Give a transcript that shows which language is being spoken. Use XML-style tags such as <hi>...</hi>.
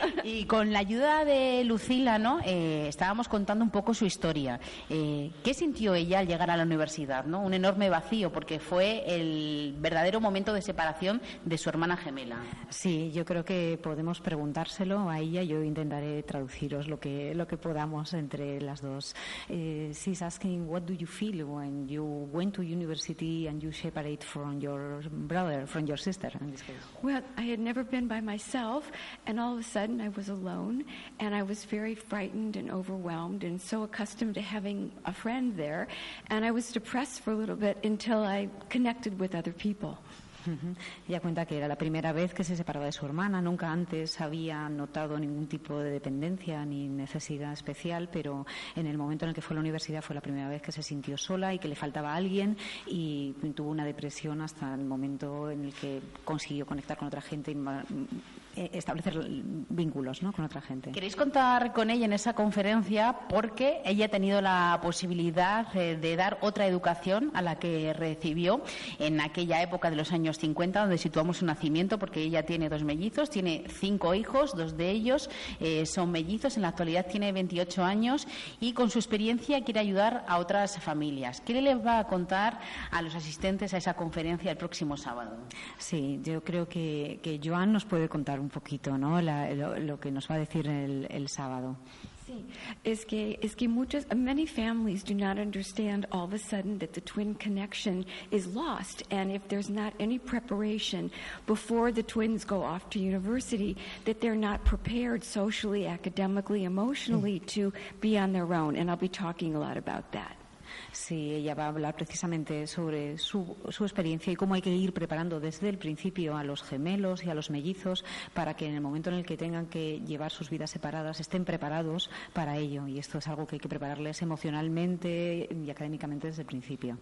<es>Y con la ayuda de Lucila, ¿no?, estábamos contando un poco poco su historia. ¿Qué sintió ella al llegar a la universidad, ¿no? Un enorme vacío, porque fue el verdadero momento de separación de su hermana gemela. Sí, yo creo que podemos preguntárselo a ella. Yo intentaré traduciros lo que podamos entre las dos.</es> <en>She's asking, what do you feel when you went to university and you separate from your brother, from your sister, in this case? Well, I had never been by myself, and all of a sudden I was alone, and I was very frightened and overwhelmed and so accustomed to having a friend there, and I was depressed for a little bit until I connected with other people.</en> <es>Ella cuenta que era la primera vez que se separaba de su hermana. Nunca antes había notado ningún tipo de dependencia ni necesidad especial, pero en el momento en el que fue a la universidad fue la primera vez que se sintió sola y que le faltaba alguien, y tuvo una depresión hasta el momento en el que consiguió conectar con otra gente y establecer vínculos, ¿no?, con otra gente. ¿Queréis contar con ella en esa conferencia? Porque ella ha tenido la posibilidad de dar otra educación a la que recibió en aquella época de los años 50, donde situamos su nacimiento, porque ella tiene dos mellizos, tiene 5 hijos, 2 de ellos son mellizos, en la actualidad tiene 28 años y con su experiencia quiere ayudar a otras familias. ¿Qué le va a contar a los asistentes a esa conferencia el próximo sábado? Sí, yo creo que Joan nos puede contar un poquito, ¿no?, lo que nos va a decir el sábado. Es que muchas,</es> <en>many families do not understand all of a sudden that the twin connection is lost, and if there's not any preparation before the twins go off to university, that they're not prepared socially, academically, emotionally to be on their own, and I'll be talking a lot about that.</en> <es>Sí, ella va a hablar precisamente sobre su experiencia y cómo hay que ir preparando desde el principio a los gemelos y a los mellizos para que en el momento en el que tengan que llevar sus vidas separadas estén preparados para ello. Y esto es algo que hay que prepararles emocionalmente y académicamente desde el principio.</es>